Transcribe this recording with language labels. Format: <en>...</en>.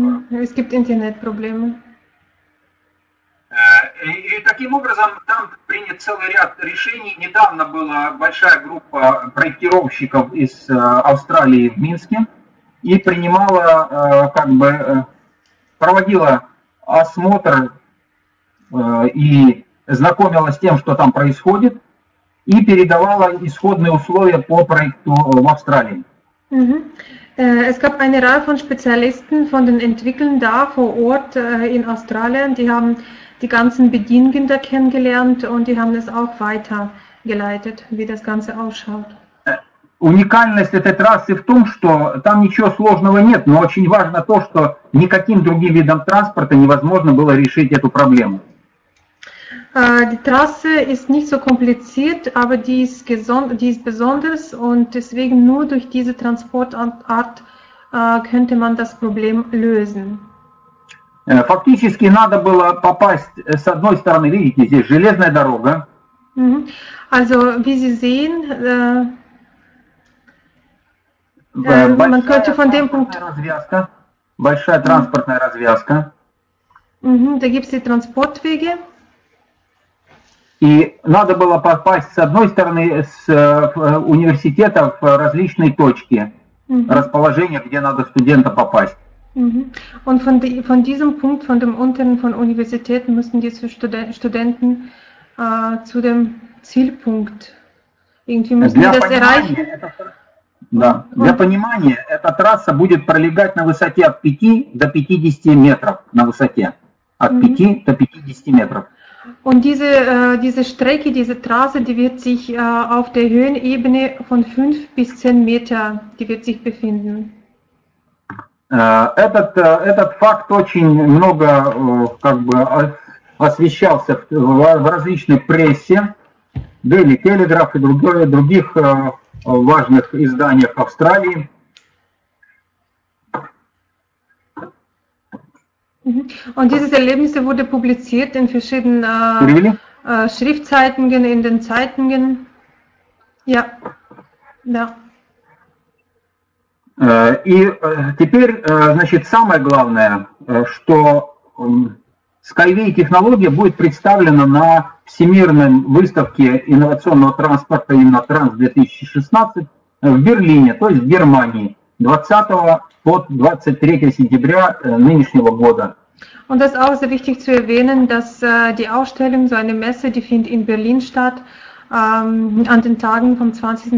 <de>Es gibt Internetprobleme.</de> <ru>И таким образом там принят целый ряд решений. Недавно была большая группа проектировщиков из Австралии в Минске и принимала, как бы, проводила осмотр и знакомилась с тем, что там происходит, и передавала исходные условия по проекту в Австралии.</ru> <de>Es gab eine Reihe von Spezialisten von den Entwicklern da vor Ort in Australien, die haben die ganzen Bedingungen da kennengelernt und die haben es auch weitergeleitet, wie das Ganze ausschaut.</de> <ru>Уникальность этой трассы в том, что там ничего сложного нет, но очень важно то, что никаким другим видом транспорта невозможно было решить эту проблему.</ru> <de>Die Trasse ist nicht so kompliziert, aber die ist besonders und deswegen nur durch diese Transportart könnte man das Problem lösen.</de> <ru>Фактически надо было попасть с одной стороны, видите, здесь железная дорога.</ru> <de>Also, wie Sie sehen, man könnte von dem Punkt...</de> <ru>Большая транспортная развязка.</ru> <de>Da gibt es die Transportwege.</de> <ru>И надо было попасть с одной стороны с университета в различные точки расположения, где надо студента попасть.</ru> <de>Und von diesem Punkt, von dem unteren von Universitäten, müssen diese Studenten zu dem Zielpunkt irgendwie müssen</de> <ru>для</ru> <de>die das erreichen.</de> <ru>Да. Для понимания, эта трасса будет пролегать на высоте от 5 до 50 метров на высоте. От 5 до 50 метров.</ru> <de>Und diese Strecke, diese Trasse, die wird sich auf der Höhenebene von 5 bis 10 Meter, die wird sich befinden.</de> <ru>Этот факт очень много как бы освещался в различной прессе, Daily Telegraph и других важных изданиях Австралии.</ru> <de>Und dieses Erlebnis wurde publiziert in verschiedenen Schriftzeitungen, in den Zeitungen. Ja.</de> <ru>Да. И теперь, значит, самое главное, что Skyway технология будет представлена на Всемирной выставке инновационного транспорта именно Транс-2016 в Берлине, то есть в Германии, 20 по 23 сентября нынешнего года.</ru> <de>Und das ist auch sehr wichtig zu erwähnen, dass die Ausstellung, so eine Messe, die findet in Berlin statt, an den Tagen vom 20.</de>